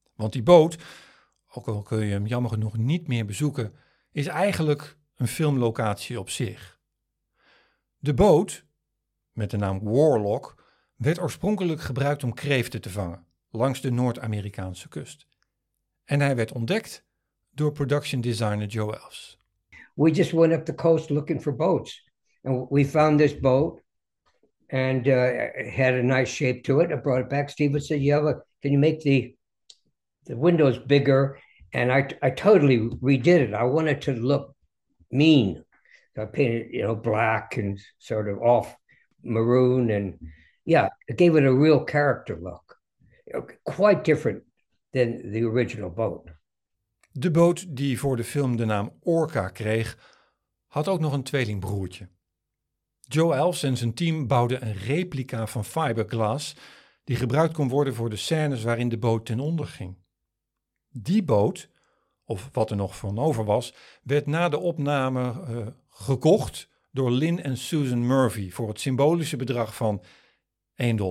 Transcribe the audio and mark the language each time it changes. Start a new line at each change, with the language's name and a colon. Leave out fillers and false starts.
Dutch: Want die boot, ook al kun je hem jammer genoeg niet meer bezoeken, is eigenlijk een filmlocatie op zich. De boot, met de naam Warlock, werd oorspronkelijk gebruikt om kreeften te vangen langs de Noord-Amerikaanse kust. En hij werd ontdekt door production designer Joe Elfs.
English: We just went up the coast looking for boats. And we found this boat and it had a nice shape to it. I brought it back. Steven said, can you make the windows bigger? And I totally redid it. I wanted to look mean. So I painted, you know, black and sort of off maroon. And yeah, it gave it a real character look, quite different than the original boat.
Dutch: De boot die voor de film de naam Orca kreeg, had ook nog een tweelingbroertje. Joe Elfs en zijn team bouwden een replica van fiberglass die gebruikt kon worden voor de scènes waarin de boot ten onder ging. Die boot, of wat er nog van over was, werd na de opname gekocht door Lynn en Susan Murphy voor het symbolische bedrag van $1.